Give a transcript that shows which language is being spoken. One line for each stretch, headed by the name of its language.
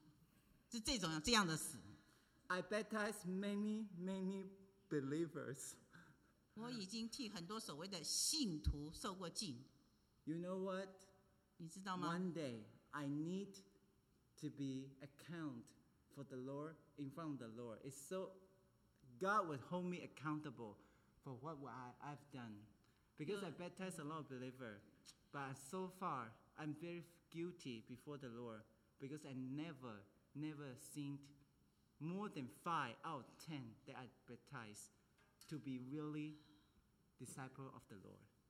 Chinese: 我们有时候一进完呢，不进还好，一进就死掉了，结果就不出现了，然后就不见了，那种的死，OK？结果我们的死，所谓的假死，就是你受浸与耶稣同死以后，我们就不见了，跑掉了，不见了，是这种这样的死。
English: I baptized many believers.
Chinese: 我已经替很多所谓的信徒受过浸。
English: You know what?
Chinese: 你知道吗？
English: One day, I need to be account for the Lord in front of the Lord. It's so God would hold me accountable for what I've done. Because I baptized a lot of believers, but so far I'm very guilty before the Lord because I never sinned more than 5 out of 10 that I baptized to be really disciple of the Lord.